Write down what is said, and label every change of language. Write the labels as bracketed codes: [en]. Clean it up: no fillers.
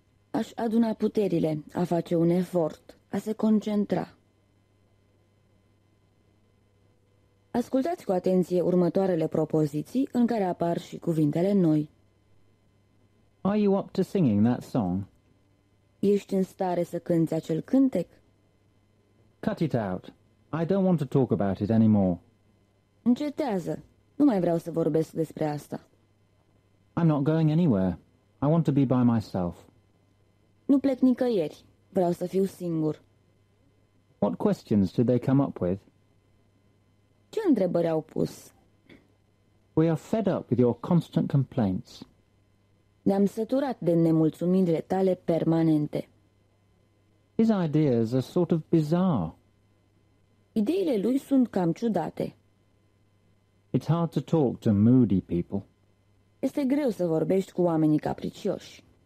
[ro] A-și aduna puterile, a face un efort, a se concentra. Ascultați cu atenție următoarele propoziții în care apar și cuvintele noi. [en] Are you up to singing that song? [ro] Ești în stare să cânți acel cântec? [en] Cut it out. I don't want to talk about it anymore. [ro] Încetează. Nu mai vreau să vorbesc despre asta. [en] I'm not going anywhere. I want to be by myself. [ro] Nu plec nicăieri. Vreau să fiu singur. [en] What questions did they come up with? [ro] Ce întrebări au pus? [en] We are fed up with your constant complaints. [ro] Ne-am săturat de nemulțumirile tale permanente. [en] His ideas are sort of bizarre. [ro] Ideile lui sunt cam ciudate. [en] It's hard to talk to moody people. [ro] Este greu să vorbești cu oamenii capricioși.